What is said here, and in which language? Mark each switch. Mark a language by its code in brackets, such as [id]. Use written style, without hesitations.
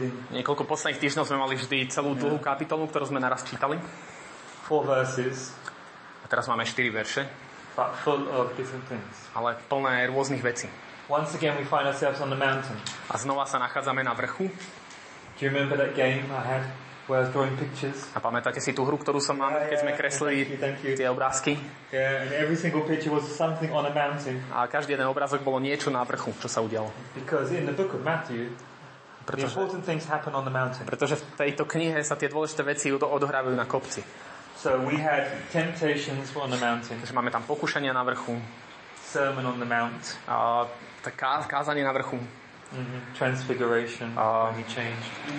[sk] Niekoľko posledných týždňov sme mali vždy celú dlhú kapitolu, ktorú sme naraz čítali. [en] Four verses. [sk] A teraz máme 4 verše. [en] But full of different things. [sk] Ale plné rôznych vecí. [en] Once again we find ourselves on the mountain. [sk] A znova sa nachádzame na vrchu. [en] Do you remember that game I had where I was drawing pictures? [sk] A pamätáte si tú hru, ktorú som mal, keď sme kreslili [en] thank you. [sk] Tie obrázky? [en] Yeah, and every single picture was something on a mountain. [sk] A každý jeden obrázok bolo niečo na vrchu, čo sa udialo. [en] Because in the book of Matthew, the important things happen on the mountain. [sk] Pretože v tejto knihe sa tie dôležité veci odohrávajú na kopci. [en] So we had temptations on the mountain. [sk] Takže máme tam pokušenia na vrchu. [en] Sermon on the mount. [sk] A tak kázanie na vrchu. Mm-hmm. [en] Transfiguration, when he changed.